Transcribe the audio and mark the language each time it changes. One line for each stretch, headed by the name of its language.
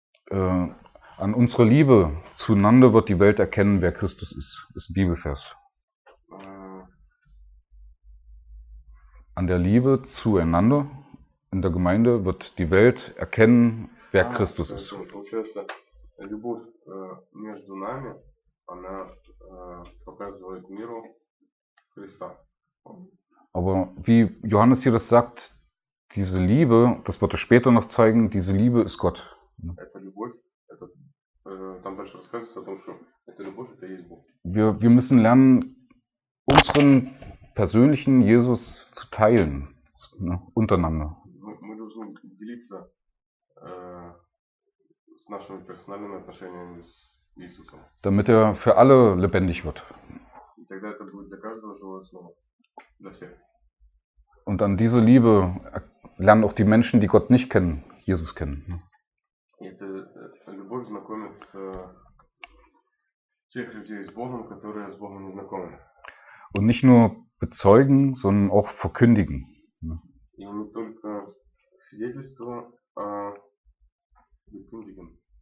German: An unserer Liebe zueinander wird die Welt erkennen, wer Christus ist. Ist ein Bibelvers. An der Liebe zueinander in der Gemeinde wird die Welt erkennen, wer Christus ist.
Russian: Любовь между нами, она показывает миру Христа.
German: Aber wie Johannes hier das sagt, diese Liebe, das wird er später noch zeigen, diese Liebe ist Gott.
Russian: Это любовь, это, там дальше рассказывается о том, что это любовь, это есть Бог.
German: Wir müssen lernen, unseren persönlichen Jesus zu teilen, ne, untereinander.
Russian: Мы должны делиться нашими персональными отношениями с Иисусом.
German: Damit er für alle lebendig wird.
Russian: И тогда это будет для каждого живое слово. Для всех.
German: Und an diese Liebe lernen auch die Menschen, die Gott nicht kennen, Jesus kennen.
Russian: И эта любовь знакомит тех людей с Богом, которые с Богом не знакомы.
German: Und nicht nur bezeugen, sondern auch verkündigen.
Russian: И не только свидетельство, а verkündigen.